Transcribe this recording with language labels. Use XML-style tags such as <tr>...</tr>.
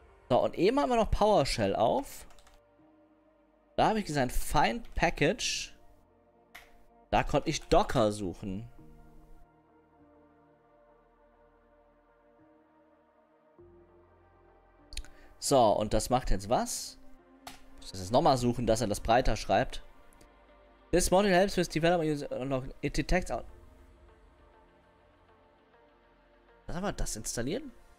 <de>So, und eben haben wir noch PowerShell auf. Da habe ich gesagt, Find Package. Da konnte ich Docker suchen. So, und das macht jetzt was? Ich muss das nochmal suchen, dass er das breiter schreibt.</de> <en>This module helps with developing. It detects.</en> <de>Was haben wir das installieren?</de>